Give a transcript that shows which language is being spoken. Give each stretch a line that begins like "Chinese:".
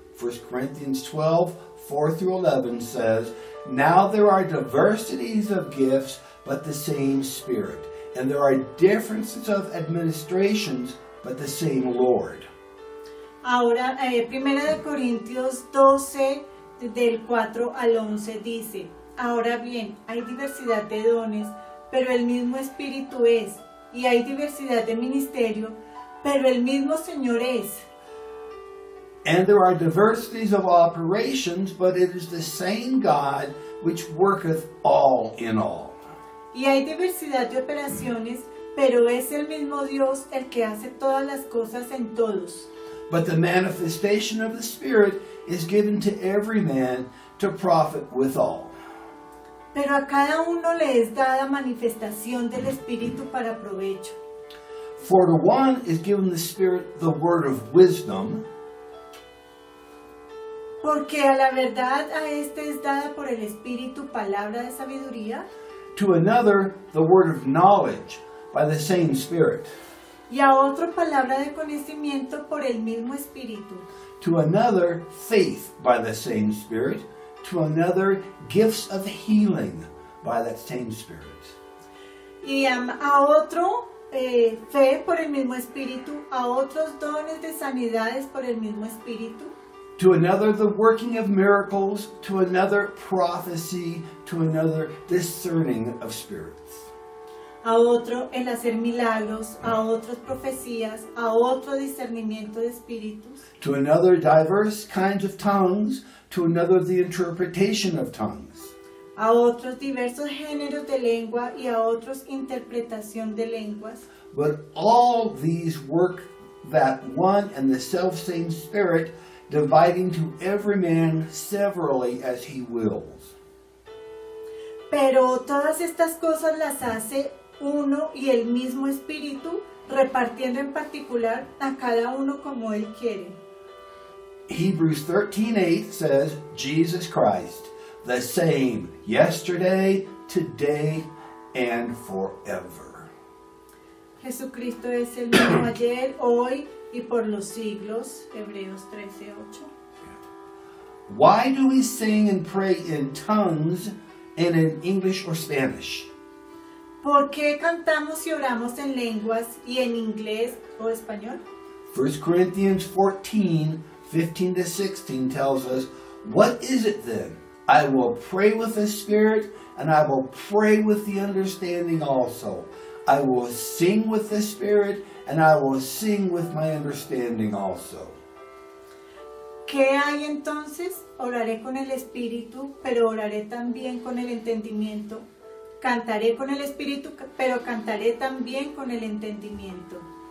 English: 1 Corinthians 12, 4 through 11 says, now there are diversities of gifts, but the same Spirit. And there are differences of administrations, but the same Lord.
Spanish: Ahora, 1 Corintios 12, del 4 al 11, dice, ahora bien, hay diversidad de dones, pero el mismo Espíritu es, y hay diversidad de ministerio, pero el mismo Señor es.
English: And there are diversities of operations, but it is the same God which worketh all in all.
Spanish: Y hay diversidad de operaciones, pero es el mismo Dios el que hace todas las cosas en todos.
English: But the manifestation of the Spirit is given to every man to profit withal.
Spanish: Pero a cada uno le es dada manifestación del Espíritu para provecho.
English: For to one is given the Spirit the word of wisdom.
Spanish: Porque a la verdad a este es dada por el Espíritu palabra de sabiduría.
English: To another the word of knowledge by the same Spirit.
Spanish: Y a otro palabra de conocimiento por el mismo Espíritu.
English: To another, faith by the same Spirit. To another, gifts of healing by that same Spirit.
Spanish: Y a otro, fe por el mismo Espíritu. A otros, dones de sanidades por el mismo Espíritu.
English: To another, the working of miracles. To another, prophecy. To another, discerning of spirits.
Spanish: A otro el hacer milagros, a otros profecías, a otro discernimiento de espíritus.
English: To another diverse kinds of tongues, to another the interpretation of tongues.
Spanish: A otros diversos géneros de lengua y a otros interpretación de lenguas.
English: But all these work that one and the selfsame Spirit, dividing to every man severally as he wills.
Spanish: Pero todas estas cosas las hace uno y el mismo Espíritu repartiendo en particular a cada uno como Él quiere.
English: Hebrews 13:8 says, Jesus Christ, the same yesterday, today, and forever.
Spanish: Jesucristo es el mismo ayer, hoy, y por los siglos. Hebreos 13:8.
English: Why do we sing and pray in tongues and in English or Spanish?
Spanish: ¿Por qué cantamos y oramos en lenguas y en inglés o español?
English: 1 Corinthians 14:15 to 16 tells us, what is it then? I will pray with the spirit and I will pray with the understanding also. I will sing with the spirit and I will sing with my understanding also.
Spanish: ¿Qué hay entonces? Oraré con el espíritu, pero oraré también con el entendimiento. Cantaré con el espíritu, pero cantaré también con el entendimiento.